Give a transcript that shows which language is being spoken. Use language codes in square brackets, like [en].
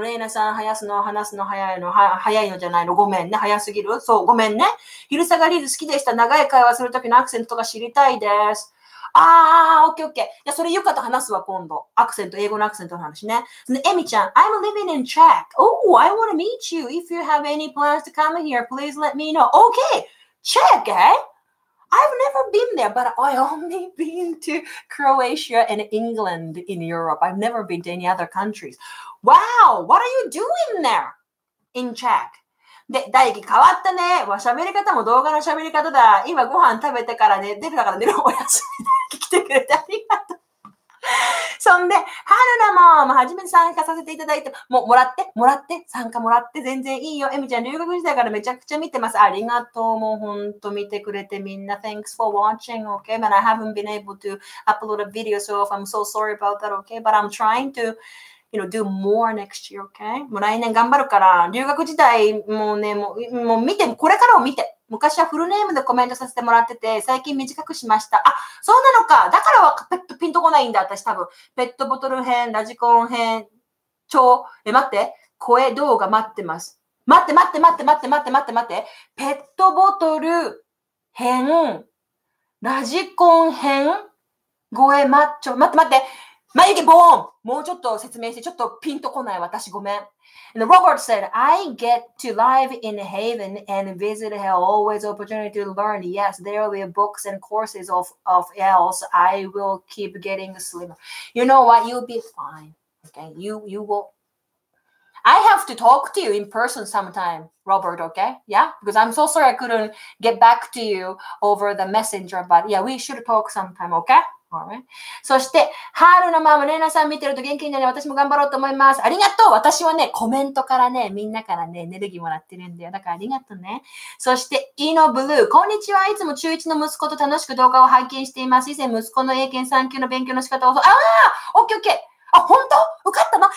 [ja] レイナさん、話すの早いの、早いのじゃないの。ごめんね。早すぎる。そう、ごめんね。昼下がりず好きでした。長い会話するときのアクセントとか知りたいです。あー、OK。いや、それ、ゆかと話すわ、今度。アクセント、英語のアクセントの話ね。 [en] エミちゃん、I'm living in Czech. Oh, I want to meet you. If you have any plans to come here, please let me know. Okay, Czech, eh? I've never been there, but I only been to Croatia and England in Europe. I've never been to any other countries. Wow, what are you doing there in Czech? [ja] で、大輝変わったね。わ、喋り方も動画の喋り方だ。今ご飯食べてからね、出るから寝る。おやすみ。来てくれてありがとう。そんで、はるなも、はじめに参加させていただいて、もらって、参加もらって、全然いいよ。えみちゃん、留学時代からめちゃくちゃ見てます。ありがとう。もうほんと見てくれてみんな。 [en] Thanks for watching, okay? But I haven't been able to upload a video, so I'm so sorry about that, okay? But I'm trying to... You know, do more next year, okay? [ja] もう来年頑張るから、留学時代もね、もう見て、これからを見て、昔はフルネームでコメントさせてもらってて、最近短くしました。あ、そうなのか。だからはピンとこないんだ、私多分。ペットボトル編、ラジコン編、超、待って、声動画待ってます。待って。ペットボトル編、ラジコン編、声マッチョ、待って。眉毛ボーン。もうちょっと説明して、ちょっとピンとこない私ごめん。 [en] And Robert said, I get to live in Haven and visit hell. Always opportunity to learn. Yes, there will be books and courses of else. I will keep getting slimmer. You know what? You'll be fine. Okay. You will. I have to talk to you in person sometime, Robert. Okay. Yeah. Because I'm so sorry I couldn't get back to you over the messenger. But yeah, we should talk sometime. Okay. [ja] そして、ハルのママ、レイナさん見てると元気になる。私も頑張ろうと思います。ありがとう。私はね、コメントからね、みんなからね、エネルギーもらってるんだよ。だからありがとうね。そして、イノブルー、こんにちは。いつも中1の息子と楽しく動画を拝見しています。以前、息子の英検3級の勉強の仕方を、ああ、オッケー。あ、ほんと？受かったの？